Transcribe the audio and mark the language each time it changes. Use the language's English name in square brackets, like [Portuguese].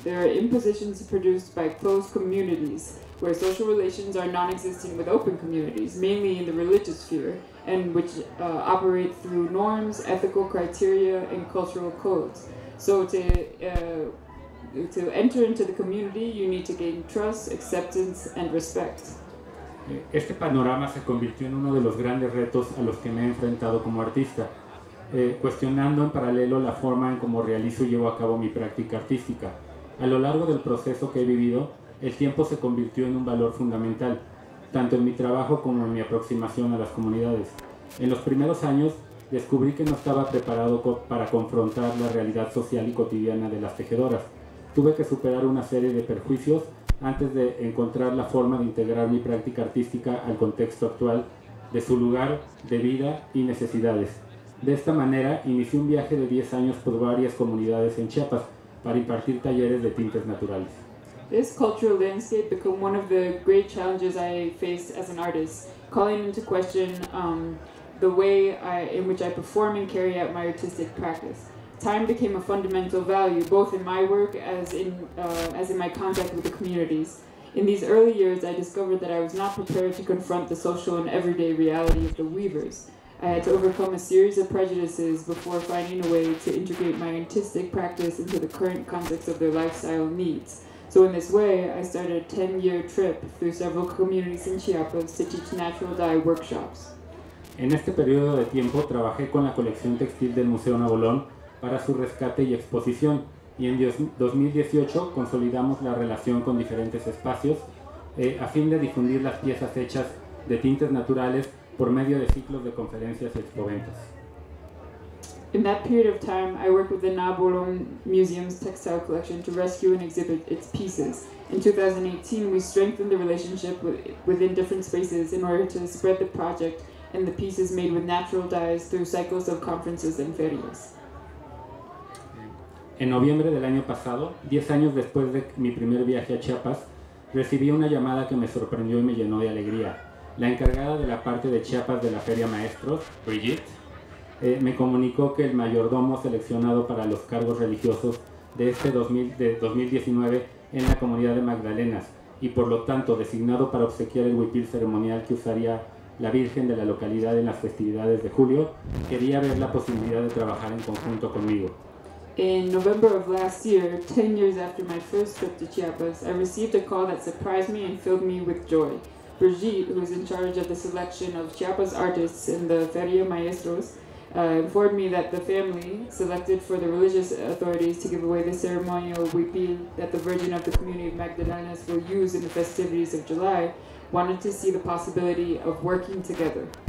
[English] There are impositions produced by closed communities where social relations are non-existent with open communities, mainly in the religious sphere, and which operate through norms, ethical criteria, and cultural codes. So to enter into the community, you need to gain trust, acceptance, and respect. [Spanish] Este panorama se convirtió en uno de los grandes retos a los que me he enfrentado como artista, cuestionando en paralelo la forma en cómo realizo y llevo a cabo mi práctica artística. A lo largo del proceso que he vivido, el tiempo se convirtió en un valor fundamental, tanto en mi trabajo como en mi aproximación a las comunidades. En los primeros años, descubrí que no estaba preparado para confrontar la realidad social y cotidiana de las tejedoras. Tuve que superar una serie de perjuicios antes de encontrar la forma de integrar mi práctica artística al contexto actual de su lugar, de vida y necesidades. De esta manera, inicié un viaje de 10 años por varias comunidades en Chiapas para impartir talleres de tintes naturales. [English] This cultural landscape became one of the great challenges I faced as an artist, calling into question the way in which I perform and carry out my artistic practice. Time became a fundamental value, both in my work as in my contact with the communities. In these early years, I discovered that I was not prepared to confront the social and everyday reality of the weavers. I had to overcome a series of prejudices before finding a way to integrate my artistic practice into the current context of their lifestyle needs. So in this way, I started a 10-year trip through several communities in Chiapas to teach natural dye workshops. [Spanish] En este periodo de tiempo, trabajé con la colección textil del Museo Nuevo León para su rescate y exposición, y en 2018 consolidamos la relación con diferentes espacios a fin de difundir las piezas hechas de tintes naturales por medio de ciclos de conferencias y exposiciones. [English] In that period of time, I worked with the Nabolom Museum's textile collection to rescue and exhibit its pieces. In 2018, we strengthened the relationship within different spaces in order to spread the project and the pieces made with natural dyes through cycles of conferences and ferias. [Spanish] En noviembre del año pasado, 10 años después de mi primer viaje a Chiapas, recibí una llamada que me sorprendió y me llenó de alegría. La encargada de la parte de Chiapas de la Feria Maestros, Brigitte, me comunicó que el mayordomo seleccionado para los cargos religiosos de este 2019 en la comunidad de Magdalenas y por lo tanto designado para obsequiar el huipil ceremonial que usaría la Virgen de la localidad en las festividades de julio, quería ver la posibilidad de trabajar en conjunto conmigo. [English] In November of last year, 10 years after my first trip to Chiapas, I received a call that surprised me and filled me with joy. Brigitte, who is in charge of the selection of Chiapas artists in the Feria Maestros, informed me that the family selected for the religious authorities to give away the ceremonial huipil that the Virgin of the Community of Magdalenas will use in the festivities of July, wanted to see the possibility of working together.